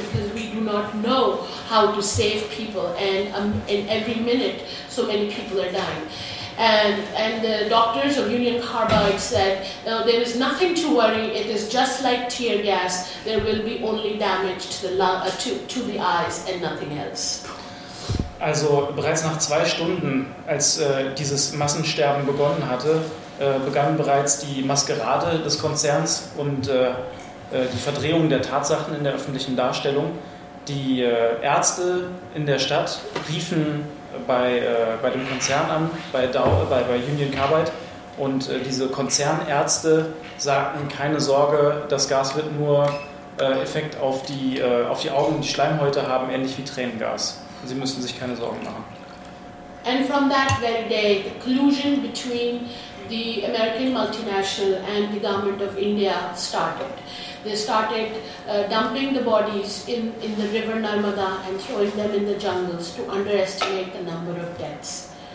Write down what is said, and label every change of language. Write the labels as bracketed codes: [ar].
[en] Because we do not know how to save people, and in every minute so many people are dying. And the doctors of Union Carbide said, no, there is nothing to worry, it is just like tear gas, there will be only damage to the to the eyes and nothing else. [de] Also bereits nach 2 Stunden, als dieses Massensterben begonnen hatte, begann bereits die Maskerade des Konzerns und die Verdrehung der Tatsachen in der öffentlichen Darstellung. Die Ärzte in der Stadt riefen bei dem Konzern an, bei Union Carbide, und diese Konzernärzte sagten, keine Sorge, das Gas wird nur Effekt auf die Augen, die Schleimhäute haben, ähnlich wie Tränengas. Sie müssen sich keine Sorgen machen. [en] And from that very day, the collusion between the American multinational and the government of India started. They started dumping the bodies in the river Narmada and throwing them in the jungles to underestimate the number of deaths.